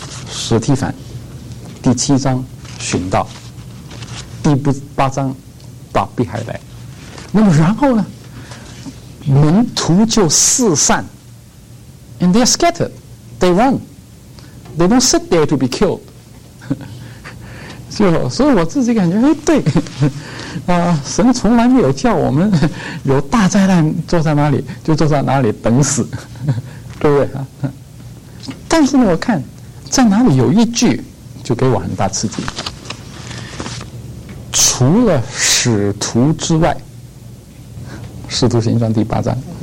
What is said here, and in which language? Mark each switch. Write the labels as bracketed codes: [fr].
[zh] 史蒂凡第7章寻道，第8章打逼海来。那么然后呢，门徒就四散， [en] and they are scattered, they run, they don't sit there to be killed. [zh] 就所以我自己感觉，对啊，神从来没有叫我们有大灾难坐在哪里就坐在哪里等死，对不对啊？但是呢，我看在哪里有一句就给我很大刺激，除了使徒之外，使徒行传第8章。